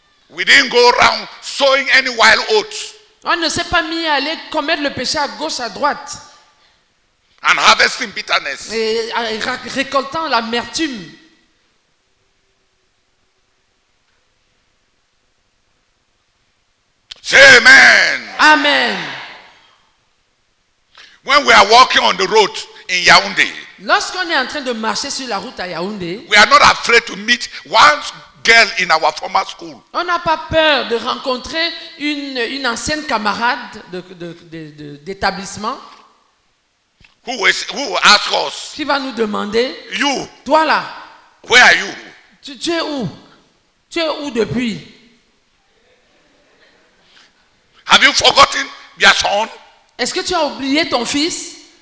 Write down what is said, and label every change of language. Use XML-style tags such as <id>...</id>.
<en>We didn't go around sowing any wild oats.</en> <fr>On ne s'est pas mis à aller commettre le péché à gauche, à droite.</fr> <en>And harvesting bitterness.</en> <fr>Et récoltant l'amertume.</fr> <en>Say amen. Amen. When we are walking on the road in Yaoundé,</en> <fr>lorsqu'on est en train de marcher sur la route à Yaoundé,</fr> <en>we are not afraid to meet one girl in our former school.</en> <fr>On n'a pas peur de rencontrer une ancienne camarade de d'établissement.</fr> <en>Who ask us?</en> <fr>Qui va nous demander?</fr> <en>You.</en> <fr>Toi là.</fr> <en>Where are you?</en> <fr>Tu es où? Tu es où depuis?</fr> <en>Have you forgotten your son?</en> <fr>Est-ce que tu as oublié ton fils?</fr>